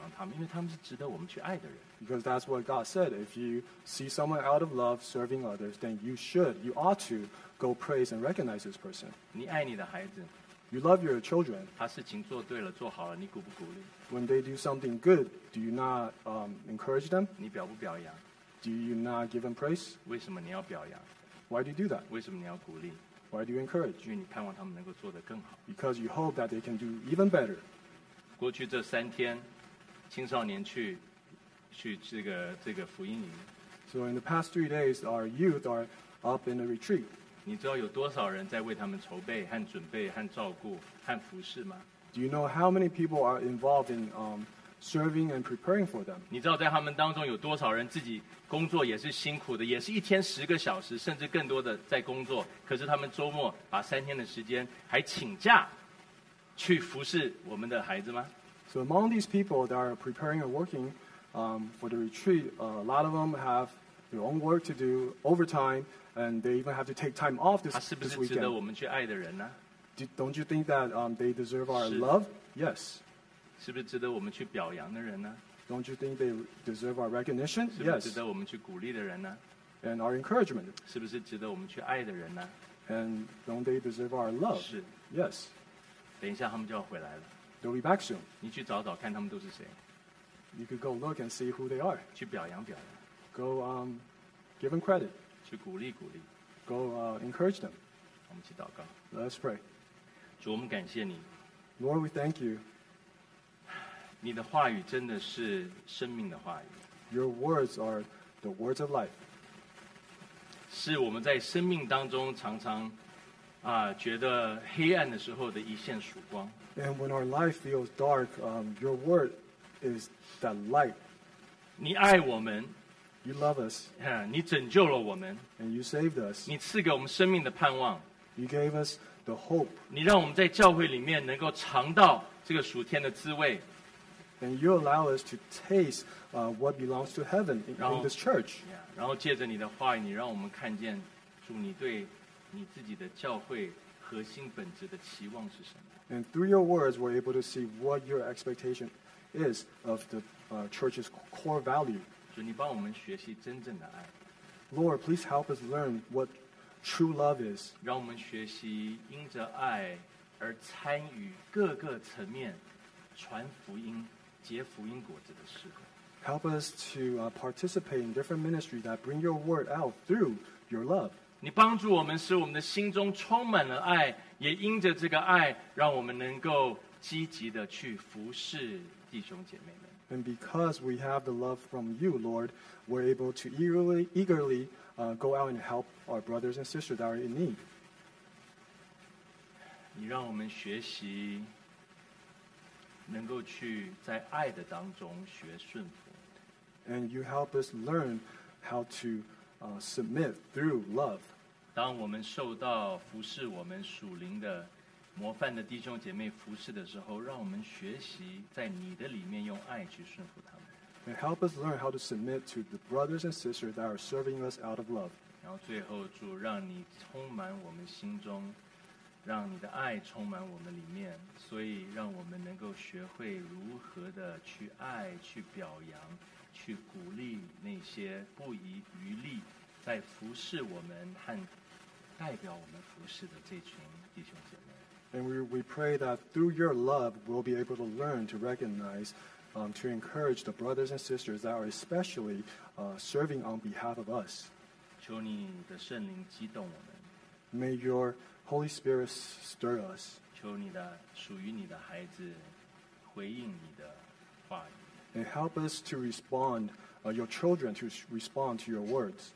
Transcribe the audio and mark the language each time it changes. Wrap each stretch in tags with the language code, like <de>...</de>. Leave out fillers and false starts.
<zh>因为神告诉我说，你在爱中，当你看见有人愿意去服侍，特别是替我们去服侍的时候，你要去在爱中表扬他们，因为他们是值得我们去爱的人。</zh> <en>Because that's what God said. If you see someone out of love serving others, then you should, you ought to. Go praise and recognize this person.</en> <zh>你爱你的孩子,</zh> <en>you love your children.</en> <zh>他事情做对了, 做好了, 你鼓不鼓励?</zh> <en>When they do something good, do you not encourage them?</en> <zh>你表不表扬?</zh> <en>Do you not give them praise?</en> <zh>为什么你要表扬?</zh> <en>Why do you do that?</en> <zh>为什么你要鼓励?</zh> <en>Why do you encourage?</en> <zh>因为你盼望他们能够做得更好。</zh> <en>Because you hope that they can do even better.</en> <zh>过去这三天，青少年去这个福音营。</zh> <en>So in the past 3 days, our youth are up in a retreat.</en> <zh>你知道有多少人在为他们筹备和准备和照顾和服侍吗？</zh> <en>Do you know how many people are involved in serving and preparing for them?</en> <zh>你知道在他们当中有多少人自己工作也是辛苦的，也是一天十个小时甚至更多的在工作，可是他们周末把三天的时间还请假去服侍我们的孩子吗？</zh> <en>So among these people that are preparing and working for the retreat, a lot of them have their own work to do overtime, and they even have to take time off this weekend.</en> <zh>他是不是值得我们去爱的人呢？</zh> <en>Don't you think that they deserve our love? Yes.</en> <zh>是不是值得我们去表扬的人呢？</zh> <en>Don't you think they deserve our recognition? Yes.</en> <zh>是不是值得我们去鼓励的人呢？</zh> <en>And our encouragement.</en> <zh>是不是值得我们去爱的人呢？</zh> <en>And don't they deserve our love?</en> <zh>是。</zh> <en>Yes.</en> <zh>等一下他们就要回来了。</zh> <en>They'll be back soon.</en> <zh>你去找找看他们都是谁。</zh> <en>You could go look and see who they are.</en> <zh>去表扬表扬。</zh> <en>Go give them credit.</en> <zh>去鼓励鼓励。</zh> <en>Go encourage them.</en> <zh>我们一起祷告。</zh> <en>Let's pray.</en> <zh>主，我们感谢你。</zh> <en>Lord, we thank you.</en> <zh>你的话语真的是生命的话语。</zh> <en>Your words are the words of life.</en> <zh>是我们在生命当中常常觉得黑暗的时候的一线曙光。</zh> <en>And when our life feels dark, your word is that light.</en> <zh>你爱我们。</zh> <en>You love us.</en> <zh>你拯救了我们。</zh> <en>And you saved us.</en> <zh>你赐给我们生命的盼望。</zh> <en>You gave us. The hope.</en> <zh>你让我们在教会里面能够尝到这个属天的滋味。</zh> <en>And you allow us to taste what belongs to heaven in this church.</en> <zh>Yeah, 然后借着你的话语，你让我们看见主你对你自己的教会核心本质的期望是什么。</zh> <en>And through your words, we're able to see what your expectation is of the church's core value.</en> <zh>主，你帮我们学习真正的爱。</zh> <en>Lord, please help us learn what. True love is.</en> <zh>让我们学习因着爱而参与各个层面传福音、结福音果子的事工。</zh> <en>Help us to participate in different ministries that bring your word out through your love.</en> <zh>你帮助我们使我们的心中充满了爱，也因着这个爱，让我们能够积极的去服侍弟兄姐妹们。</zh> <en>And because we have the love from you, Lord, we're able to eagerly. Go out and help our brothers and sisters that are in need.</en> <zh>你让我们学习能够去在爱的当中学顺服。</zh> <en>And you help us learn how to submit through love.</en> <zh>当我们受到服侍我们属灵的模范的弟兄姐妹服侍的时候，让我们学习在你的里面用爱去顺服他们。</zh> <en>And help us learn how to submit to the brothers and sisters that are serving us out of love.</en> <zh>然后最后主让你充满我们心中，让你的爱充满我们里面，所以让我们能够学会如何的去爱，去表扬，去鼓励那些不遗余力在服侍我们和代表我们服侍的这群弟兄姐妹。</zh> <en>And we pray that through your love we'll be able to learn to recognizeto encourage the brothers and sisters that are especially serving on behalf of us.</en> <zh>求你的圣灵激动我们。</zh> <en>May your Holy Spirit stir us.</en> <zh>求你的属于你的孩子回应你的话语。</zh> <en>And help us to respond, your children to respond to your words.</en>